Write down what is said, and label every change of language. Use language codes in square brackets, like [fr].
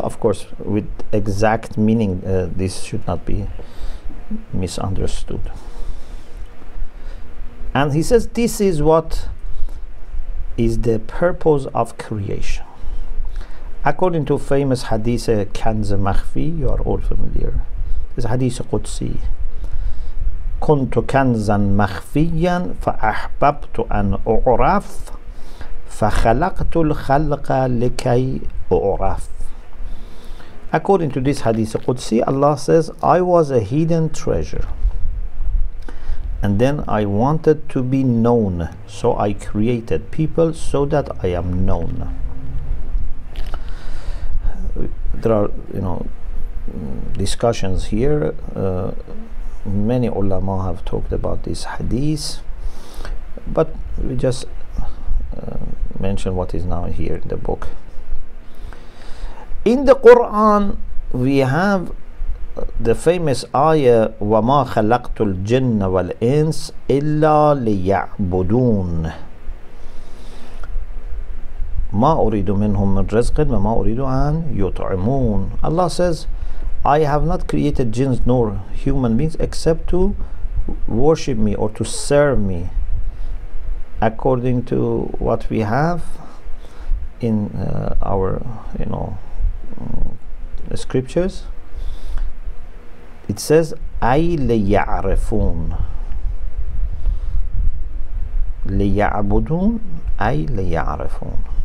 [en] Of course, with exact meaning, this should not be misunderstood. And he says, this is what is the purpose of creation. According to famous hadith, Kanz Makhfi, you are all familiar. This hadith Qudsi. [ar] كنت كنزا مخفيا فأحببت أن أعرف فخلقت الخلق لكي أعرف. [en] According to this hadith Qudsi, Allah says, I was a hidden treasure, and then I wanted to be known, so I created people so that I am known. There are, you know, discussions here. Many ulama have talked about this hadith, but we just mention what is now here in the book. In the Quran, we have the famous ayah, [ar] وَمَا خَلَقْتُ الْجِنَّ وَالْإِنسِ إِلَّا لِيَعْبُدُونَ. ما أريد منهم من رزق وما أريد أن يطعمون. [en] Allah says, I have not created jinns nor human beings except to worship me or to serve me according to what we have in our, you know, scriptures. It says ay liya'rifun liya'budun ay liya'rifun.